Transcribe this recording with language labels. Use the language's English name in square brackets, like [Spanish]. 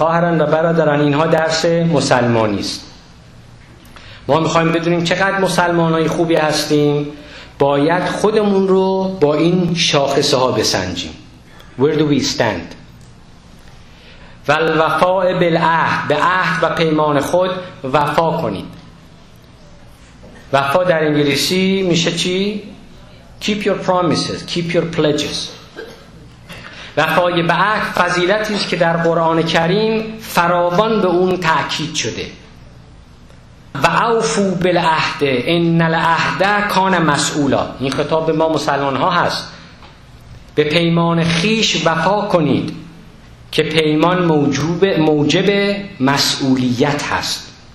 [Persian] خواهران و برادران، اینها درس مسلمانی است. ما میخواییم بدونیم چقدر مسلمان های خوبی هستیم، باید خودمون رو با این شاخصه ها بسنجیم. [English] Where do we stand؟ [Arabic] والوفاء بالعهد، [Persian] به عهد و پیمان خود وفا کنید. وفا در انگلیسی میشه چی؟ [English] Keep your promises، keep your pledges. [Persian] وفای به عهد فضیلتی است که در قرآن کریم فراوان به اون تأکید شده. [Arabic] و اوفو بالعهد ان العهد کان مسئولا، [Persian] این خطاب به ما مسلمان ها هست. به پیمان خیش وفا کنید که پیمان موجب مسئولیت هست.